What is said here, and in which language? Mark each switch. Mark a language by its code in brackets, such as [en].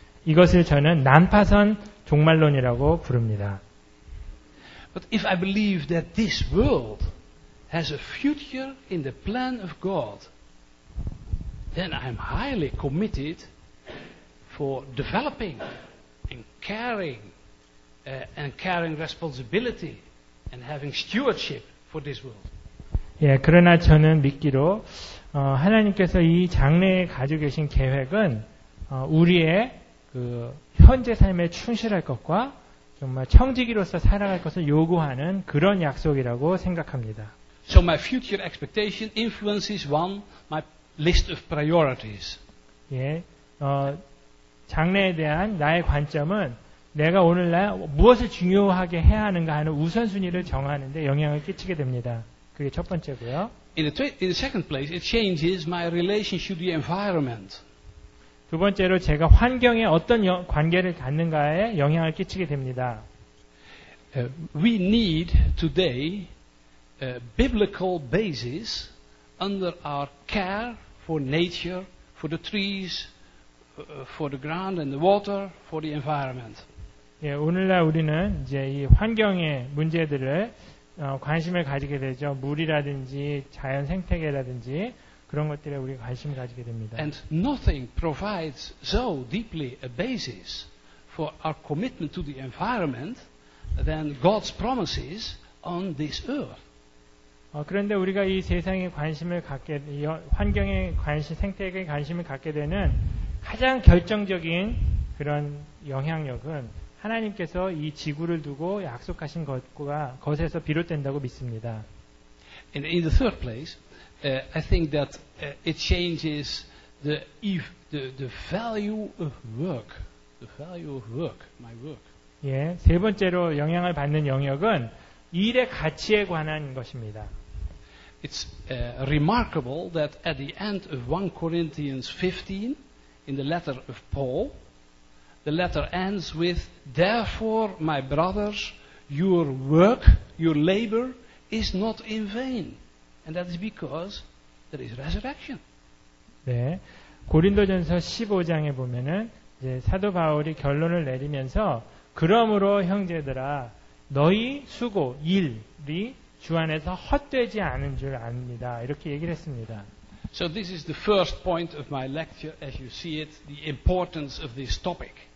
[ko] 이것을 저는 난파선 종말론이라고 부릅니다. [en] But if I believe that this world has a future in the plan of God, then I'm highly committed for developing and caring and caring responsibility and having stewardship for this world. [ko] 예, 그러나 저는 믿기로 하나님께서 이 장래에 가지고 계신 계획은 우리의 그 현재 삶에 충실할 것과 정말 청지기로서 살아갈 것을 요구하는 그런 약속이라고 생각합니다. [en] So my future expectation influences one my list of priorities. [ko] 예, 장래에 대한 나의 관점은 내가 오늘날 무엇을 중요하게 해야 하는가 하는 우선순위를 정하는데 영향을 끼치게 됩니다. 그게 첫 번째고요. [en] In the second place, it changes my relationship to the environment. [ko] 두 번째로 제가 환경에 어떤 관계를 갖는가에 영향을 끼치게 됩니다. [en] We need today a biblical basis under our care for nature, for the trees, for the ground and the water, for the environment. [ko] 예, 오늘날 우리는 이제 이 환경의 문제들을 관심을 가지게 되죠. 물이라든지 자연 생태계라든지 그런 것들에 우리가 관심을 가지게 됩니다. [en] And nothing provides so deeply a basis for our commitment to the environment than God's promises on this earth. [ko] 그런데 우리가 이 세상에 관심을 갖게, 이 환경에 관심, 생태계에 관심을 갖게 되는 가장 결정적인 그런 영향력은 하나님께서 이 지구를 두고 약속하신 것과 것에서 비롯된다고 믿습니다. [en] And in the third place, I think that it changes the value of work. The value of work, my work. [ko] 예, 세 번째로 영향을 받는 영역은 일의 가치에 관한 것입니다. [en] It's remarkable that at the end of 1 Corinthians 15, in the letter of Paul, the letter ends with, Therefore, my brothers, your work, your labor is not in vain. And that is because there is resurrection. [ko] 네. 고린도전서 15장에 보면은, 이제 사도 바울이 결론을 내리면서, 그러므로 형제들아, 너희 수고, 일이 주 안에서 헛되지 않은 줄 압니다. 이렇게 얘기를 했습니다. [en] So this is the first point of my lecture, as you see it, the importance of this topic.